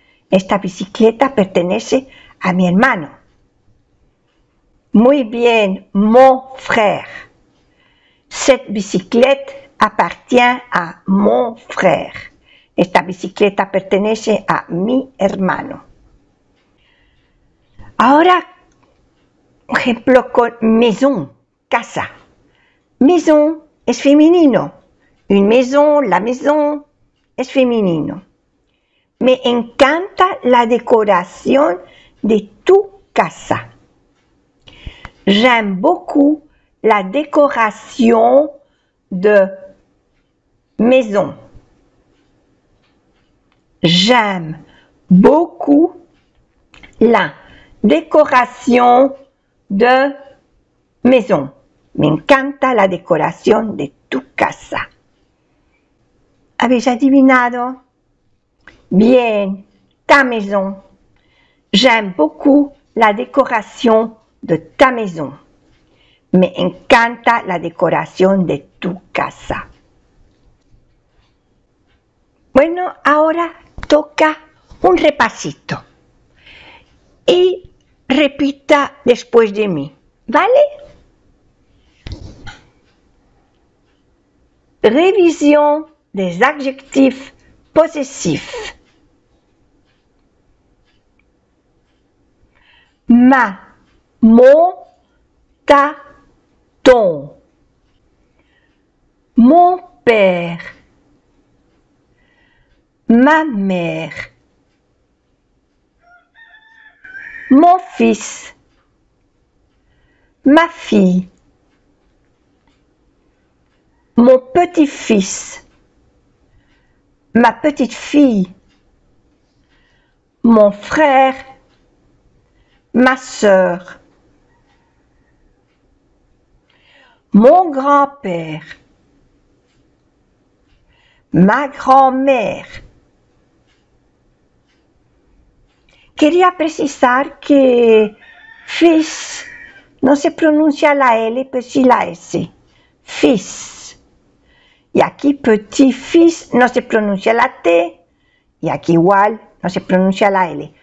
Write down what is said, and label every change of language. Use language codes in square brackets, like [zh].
[es] Esta bicicleta pertenece a mi hermano. Muy bien, mon frère. [fr] Cette bicyclette appartient à mon frère. [es] Esta bicicleta pertenece a mi hermano. Ahora, un ejemplo con maison, casa. Maison es femenino. Une maison, la maison, es femenino. Me encanta la decoración de tu casa. [fr] J'aime beaucoup la décoration de maison. J'aime beaucoup la décoration de maison. [es] Me encanta la decoración de tu casa. ¿Habéis adivinado? Bien, ta maison. [fr] J'aime beaucoup la décoration de ta maison. [es] Me encanta la decoración de tu casa. Bueno, ahora toca un repasito. Y repita después de mí, ¿vale? [fr] Révision des adjectifs possessifs. Ma, mon, ta, ton. Mon père. Ma mère. Mon fils. Ma fille. Mon petit-fils, ma petite-fille, mon frère, ma sœur, mon grand-père, ma grand-mère. [es] Quería precisar que fils no se pronuncia la L, pero sí la S. Fils. Y aquí petit-fils no se pronuncia la T. Y aquí igual no se pronuncia la L.